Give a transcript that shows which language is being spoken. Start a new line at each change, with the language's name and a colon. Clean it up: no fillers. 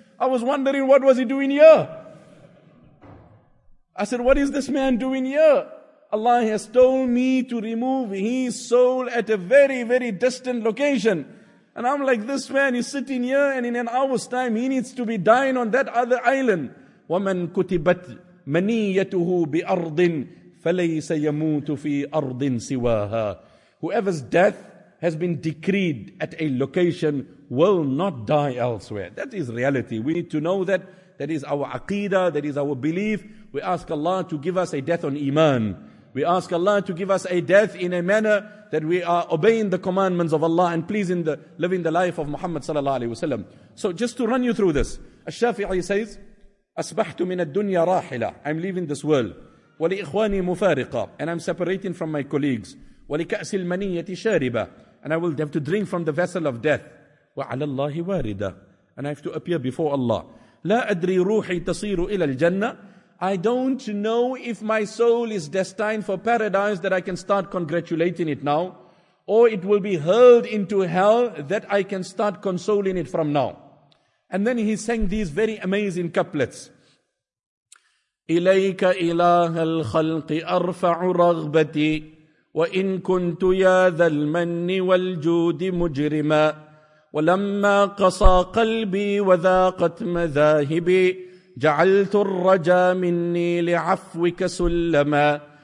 English: I was wondering, what was he doing here? I said, what is this man doing here? Allah has told me to remove his soul at a very, very distant location. And I'm like, this man is sitting here, and in an hour's time, he needs to be dying on that other island.
Arabic: وَمَنْ كُتِبَتْ منيته بأرض فليس يموت في أرض سواها.
English: Whoever's death has been decreed at a location will not die elsewhere. That is reality. We need to know that. That is our aqeedah, that is our belief. We ask Allah to give us a death on iman. We ask Allah to give us a death in a manner that we are obeying the commandments of Allah and pleasing the living the life of Muhammad sallallahu alaihi wasallam. So just to run you through this, Al-Shafi'i says,
Arabic: "Asbahtu min ad-dunya rahila."
English: I'm leaving this world.
Arabic: "Wa li ikhwani mufariqa,"
English: and I'm separating from my colleagues.
Arabic: "Wa li ka'si al-maniyyati shariba,"
English: and I will have to drink from the vessel of death.
Arabic: "Wa 'ala Allahi warida,"
English: and I have to appear before Allah.
Arabic: "La adri ruhi tasiru ila al-jannah."
English: I don't know if my soul is destined for paradise that I can start congratulating it now, or it will be hurled into hell that I can start consoling it from now. And then he sang these very amazing couplets.
Arabic: إِلَيْكَ إِلَهَ الْخَلْقِ أَرْفَعُ رَغْبَتِي وَإِنْ كُنْتُ يَا ذَا الْمَنِّ وَالْجُودِ مُجْرِمًا وَلَمَّا قَصَى قَلْبِي وَذَاقَتْ مَذَاهِبِي جعلت الرجا مني لعفوك سلما